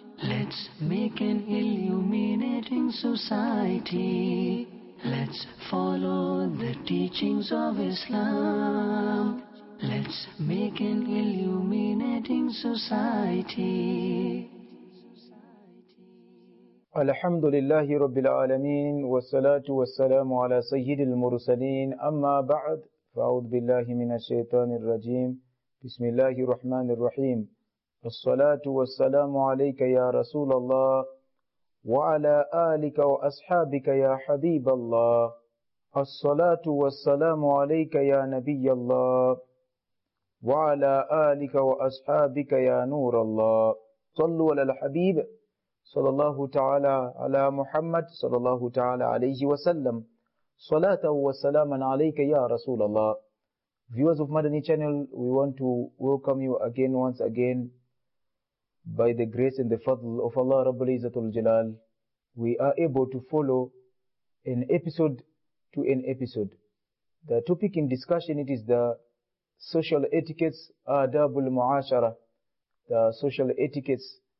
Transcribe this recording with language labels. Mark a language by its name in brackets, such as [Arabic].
[English] Let's make an illuminating society. Let's follow the teachings of Islam. Let's make an illuminating society. [Arabic] الحمد لله رب العالمين والصلاة والسلام على سيد المرسلين أما بعد فأعوذ بالله من الشيطان الرجيم بسم الله الرحمن الرحيم الصلاة والسلام عليك يا رسول الله وعلى آلك وأصحابك يا حبيب الله الصلاة والسلام عليك يا نبي الله وعلى آلك وأصحابك يا نور الله صلوا على الحبيب صلى الله تعالى على محمد صلى الله تعالى عليه وسلم صلاة وسلام عليك يا رسول الله. [English] Viewers of Madani Channel, we want to welcome you again, once again, by the grace and the fadl of Allah Rabbul Izzatul Jalal. We are able to follow an episode to an episode. The topic in discussion, it is the social etiquettes, adabul mu'ashara, the social etiquettes.